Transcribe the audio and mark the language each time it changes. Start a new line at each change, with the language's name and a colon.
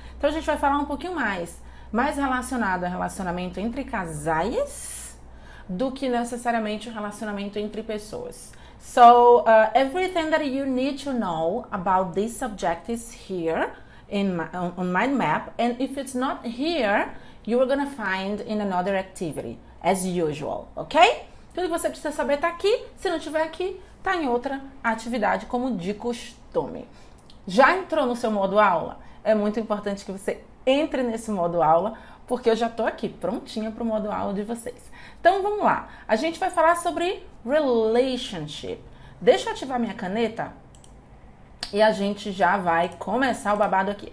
Portuguese: Então a gente vai falar um pouquinho mais relacionado a relacionamento entre casais do que necessariamente o relacionamento entre pessoas.
English: So, everything that you need to know about this subject is here in on mind map. And if it's not here, you are going to find in another activity, as usual, ok?
Portuguese: Tudo que você precisa saber está aqui. Se não estiver aqui, está em outra atividade, como de costume. Já entrou no seu modo aula? É muito importante que você entre nesse modo aula, porque eu já estou aqui prontinha para o modo aula de vocês. Então, vamos lá. A gente vai falar sobre relationship. Deixa eu ativar minha caneta e a gente já vai começar o babado aqui.